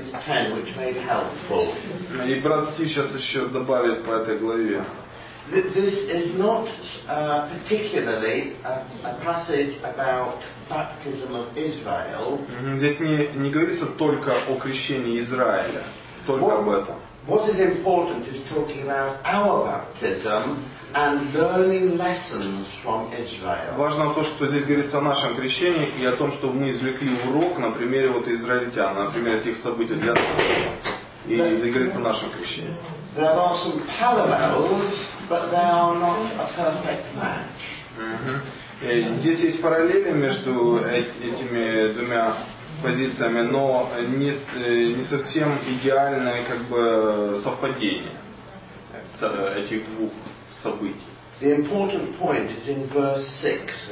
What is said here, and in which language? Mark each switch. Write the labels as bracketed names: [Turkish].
[English] Can I make one point about 1 Corinthians 10, which may be helpful? This is not particularly a passage about baptism of Israel. [Russian] Здесь не говорится только о крещении Израиля, только об этом. [English] What is important is talking about our baptism and learning lessons from Israel. [Russian] Важно то, что здесь говорится о нашем крещении и о том, что мы извлекли урок на примере вот израильтян, на примере этих событий для нас. И здесь говорится о нашем крещении. [English] There are some parallels, but they are not a perfect match. [Russian] Здесь есть параллели между этими двумя позициями, но не совсем идеальное как бы совпадение этих двух событий. [English] The important point is in verse 6.